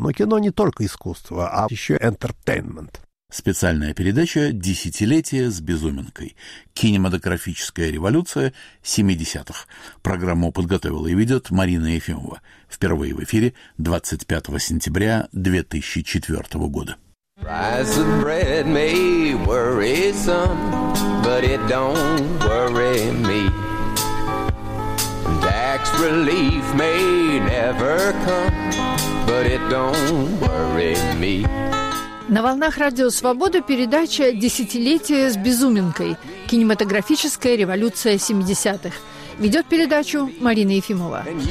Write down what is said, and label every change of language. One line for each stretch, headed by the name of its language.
Russian: Но кино не только искусство, а еще entertainment. Специальная передача «Десятилетие с Безуменкой. Кинематографическая революция 70-х». Программу подготовила и ведет Марина Ефимова. Впервые в эфире 25 сентября 2004 года.
English: Rice and bread may worry some, but it don't worry me. Tax relief may never come, but it don't worry me.
Russian: На волнах «Радио Свобода» передача «Десятилетие с Безуменкой. Кинематографическая революция 70-х». Ведет передачу Марина Ефимова.